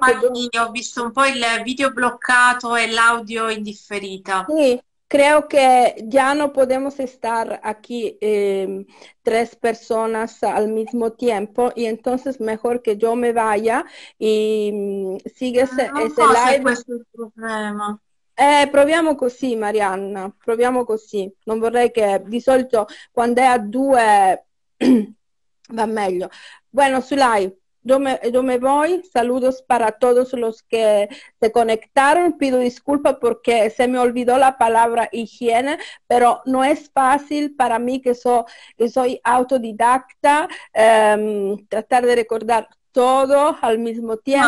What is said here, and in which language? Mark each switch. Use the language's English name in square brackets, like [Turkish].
[Italian] ho visto un po' il video bloccato e l'audio in differita. [Spanish] Sì, creo que ya no podemos estar aquí tres personas al mismo tiempo y entonces mejor que yo me vaya y sigues ese live. [Italian] Non so se questo è il problema. Proviamo così, Marianna, proviamo così. Non vorrei che, di solito, quando è a due va meglio. [Spanish] Bueno, su live. [Italian] Dove voi? [Spanish] Saludos para todos los que se conectaron. Pido disculpa porque se me olvidó la palabra higiene, pero no es fácil para mí que soy autodidacta, tratar de recordar todo al mismo tiempo.